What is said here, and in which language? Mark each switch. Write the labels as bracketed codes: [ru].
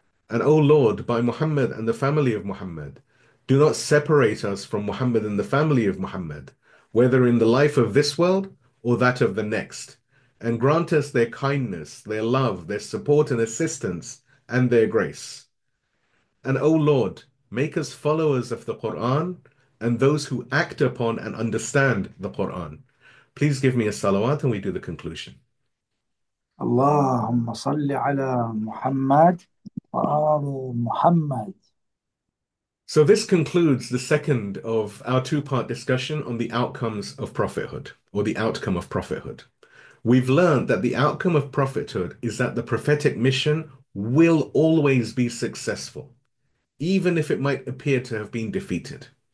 [en] And O Lord, by Muhammad and the family of Muhammad, do not separate us from Muhammad and the family of Muhammad, whether in the life of this world or that of the next, and grant us their kindness, their love, their support and assistance, and their grace. And O Lord, make us followers of the Quran and those who act upon and understand the Quran. Please give me a salawat and we do the conclusion." [ar] اللهم صل على محمد وآل محمد. [en] So this concludes the second of our two-part discussion on the outcomes of prophethood, or the outcome of prophethood. We've learned that the outcome of prophethood is that the prophetic mission will always be successful, even if it might appear to have been defeated.